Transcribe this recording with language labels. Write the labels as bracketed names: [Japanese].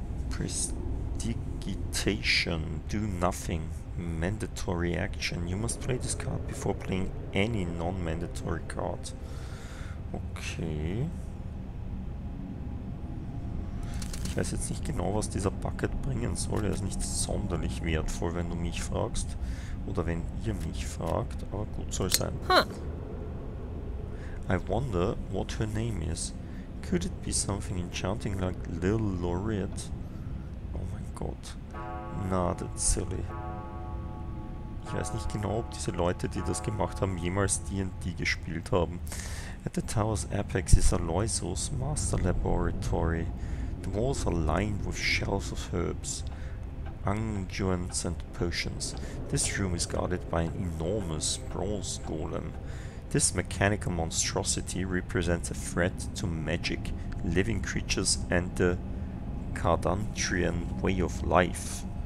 [English] Prestidigitation. Do nothing. Mandatory action. You must play this card before playing any non-mandatory card. Okay. [German] Ich weiß jetzt nicht genau, was dieser Bucket bringen soll. Er ist nicht sonderlich wertvoll, wenn du mich fragst. Oder wenn ihr mich fragt. Aber gut soll sein. [English] Huh. I wonder what her name is. Could it be something enchanting like Lil Laureate? [German] Oh mein Gott. [English] Na, that's silly. [German] Ich weiß nicht genau, ob diese Leute, die das gemacht haben, jemals D&D gespielt haben. [English] At the tower's apex is Aloysius' master laboratory. The walls are lined with shelves of herbs, unguents and potions. This room is guarded by an enormous bronze golem. This mechanical monstrosity represents a threat to magic, living creatures and the Cardantrian way of life.